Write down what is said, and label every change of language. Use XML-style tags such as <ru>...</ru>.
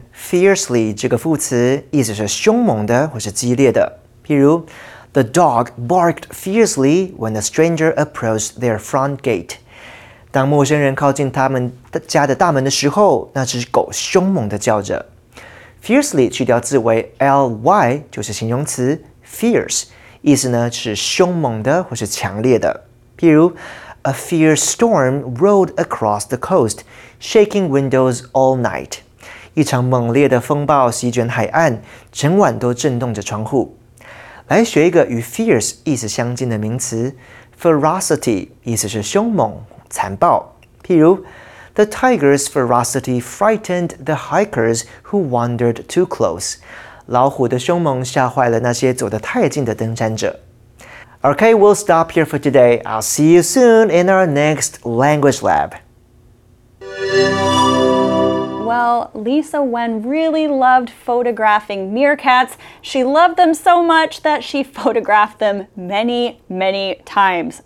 <zh>Fiercely 这个副词意思是凶猛的或是激烈的。譬如</zh> <en>,The dog barked fiercely when a stranger approached their front gate.</en> <zh>当陌生人靠近他们家的大门的时候，那只狗凶猛的叫着。 Fiercely 去掉字尾 ly 就是形容词 fierce, 意思呢是凶猛的或是强烈的。譬如</zh> <en>,A fierce storm rolled across the coast, shaking windows all night.</en> <zh>一场猛烈的风暴席卷海岸，整晚都震动着窗户。来学一个与 fierce 意思相近的名词 ，ferocity 意思是凶猛、残暴。譬如</zh> <en>，The tiger's ferocity frightened the hikers who wandered too close。</en> <zh>老虎的凶猛吓坏了那些走得太近的登山者。</zh> <en>Okay, we'll stop here for today. I'll see you soon in our next language lab. Well, Lisa Wen really loved photographing meerkats. She loved them so much that she photographed them many, many times.</en>